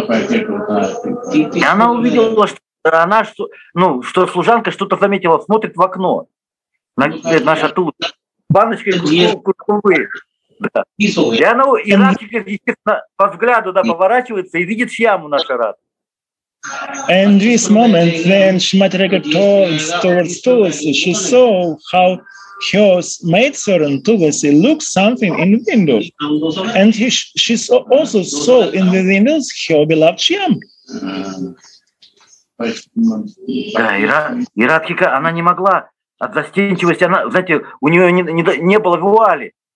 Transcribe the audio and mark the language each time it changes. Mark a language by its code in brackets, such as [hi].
[ru] И она увидела, что служанка что-то заметила, смотрит в окно, наша Туласик. Баночкой куркумы. Да. И Радхика, естественно, по взгляду, да, поворачивается и видит Шьяму, наша Радха. [en] And this moment, when Shrimati Radhika turns towards Tulasi, she saw how his maidservant Tulasi looked something in the window, and she also saw in the windows her beloved Shyam. [ru] Да, и Радхика, она не могла от застенчивости, она, знаете, у нее не было вуали.